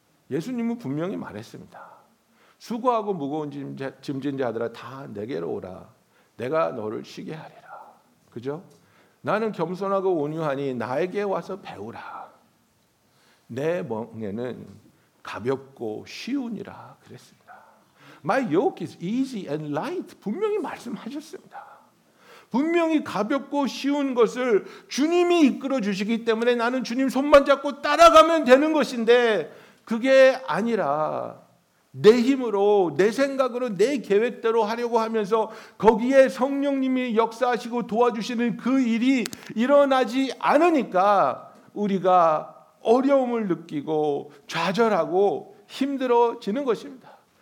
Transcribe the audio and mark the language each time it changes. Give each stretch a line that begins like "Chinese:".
Korean: 예수님은 분명히 말했습니다. 수고하고 무거운 짐진 자들아 다 내게로 오라. 내가 너를 쉬게 하리라. 그죠? 나는 겸손하고 온유하니 나에게 와서 배우라. 내 멍에는 가볍고 쉬우니라 그랬습니다.
English: My yoke is easy and light.
Korean: 분명히 말씀하셨습니다. 분명히 가볍고 쉬운 것을 주님이 이끌어 주시기 때문에 나는 주님 손만 잡고 따라가면 되는 것인데, 그게 아니라 내 힘으로, 내 생각으로, 내 계획대로 하려고 하면서 거기에 성령님이 역사하시고 도와주시는 그 일이 일어나지 않으니까 우리가 어려움을 느끼고 좌절하고 힘들어지는 것입니다.